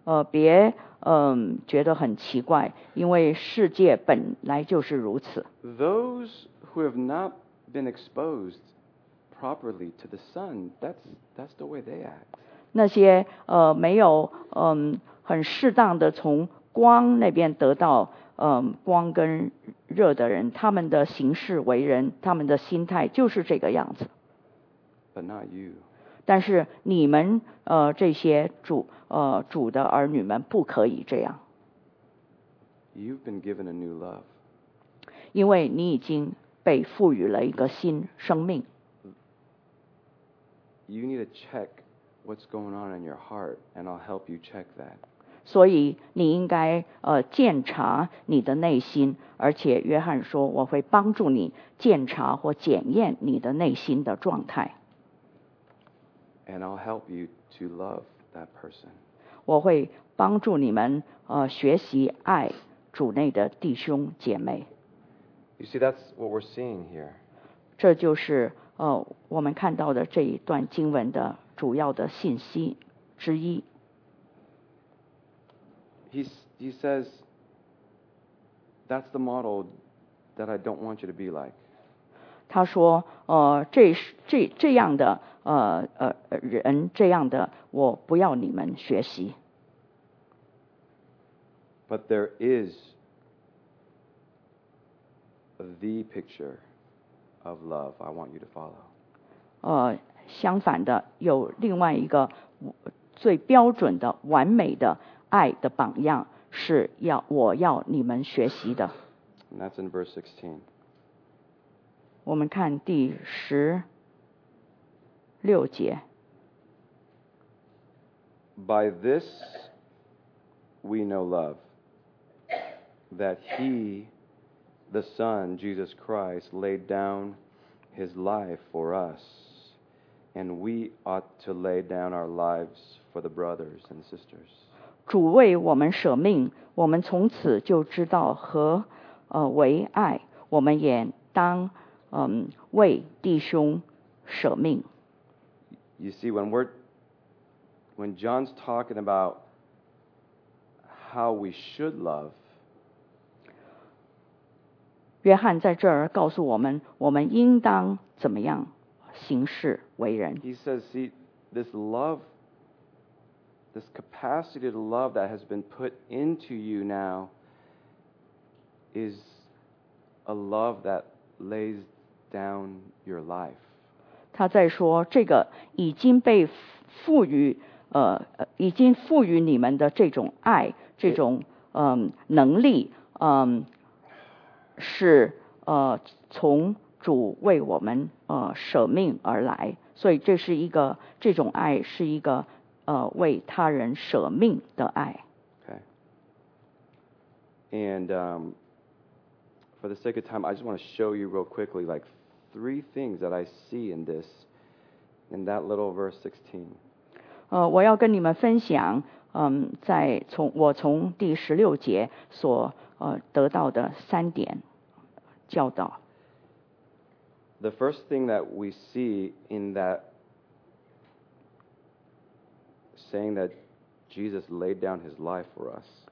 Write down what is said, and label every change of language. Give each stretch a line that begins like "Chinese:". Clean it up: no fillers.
Chinese: 别觉得很奇怪，因为世界本来就是如此。
English: Those who have not been exposed properly to the Son, that's the way they act.
Chinese: 那些没有很适当的从光那边得到光跟热的人，他们的行事为人，他们的心态就是这个样子。
English: But not you.
Chinese: 但是你们这些主的儿女们不可以这样。
English: You've been given a new love.
Chinese: 因为你已经被赋予了一个新生命。
English: You need to check what's going on in your heart, and I'll help you check that.
Chinese: 所以你应该检查你的内心，而且约翰说我会帮助你检查或检验你的内心的状态。
English: And I'll help you to love that person.
Chinese: 我会帮助你们学习爱主内的弟兄姐妹。
English: You see, that's what we're seeing here.
Chinese: 这就是我们看到的这一段经文的主要的信息之一。
English: He says, "That's the model that I don't want you to be like."
Chinese: 他说，这样的人，这样的我不要你们学习。
English: But there is the picture of love I want you to follow.
Chinese: 相反的，有另外一个最标准的、完美的爱的榜样是要我要你们学习的。
English: And that's in verse 16.
Chinese: 我们看第十六节。
English: By this we know love, that he, the Son, Jesus Christ, laid down his life for us, and we ought to lay down our lives for the brothers and sisters.
Chinese: 主为我们舍命，我们从此就知道何为爱，我们也当为弟兄舍命。
English: You see, when John's talking about how we should love,
Chinese: 约翰在这儿告诉我们，我们应当怎么样行事为人。
English: He says, see, this love,this capacity to love that has been put into you now is a love that lays down your life.
Chinese: 他在说这个已经被赋予已经赋予你们的这种爱这种能力是从主为我们舍命而来，所以这是一个这种爱是一个为他人舍命的爱。
English: Okay. And for the sake of time, I just want to show you real quickly like three things that I see in this, in that little verse 16.
Chinese: 我要跟你们分享在我从第十六节所得到的三点教导。
English: The first thing that we see in that,saying that Jesus laid down his life for us.